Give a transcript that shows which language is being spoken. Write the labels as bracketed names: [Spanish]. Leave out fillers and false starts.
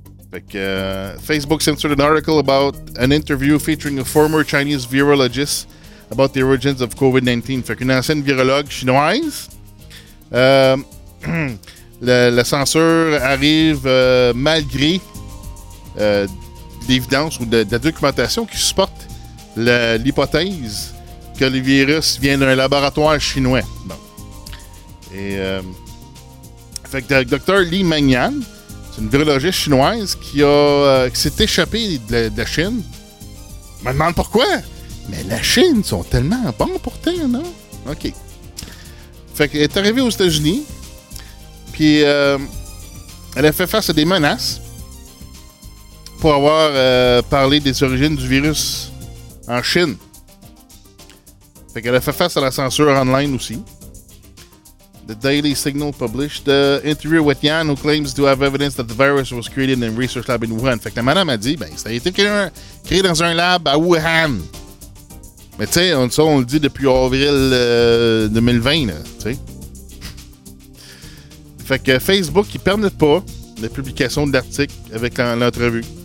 [French] Fait que [English] Facebook censored an article about an interview featuring a former Chinese virologist about the origins of COVID-19. [French] Fait qu'une ancienne virologue chinoise. la censure arrive malgré l'évidence ou de la documentation qui supporte l'hypothèse que le virus vient d'un laboratoire chinois. Bon. Et fait que Dr. Li Mengyan, c'est une virologiste chinoise qui s'est échappée de la Chine. Je me demande pourquoi. Mais la Chine sont tellement bons pour toi, non? OK. Fait qu'elle est arrivée aux États-Unis, puis elle a fait face à des menaces pour avoir parlé des origines du virus en Chine. Fait qu'elle a fait face à la censure online aussi. [English] The Daily Signal published the interview with Yan, who claims to have evidence that the virus was created in a research lab in Wuhan. [French] Fait que la madame a dit, ben, ça a été créé dans un lab à Wuhan. Mais tu sais, on le dit depuis avril 2020, là, tu sais. Fait que Facebook, ils permet pas la publication de l'article avec l'entrevue.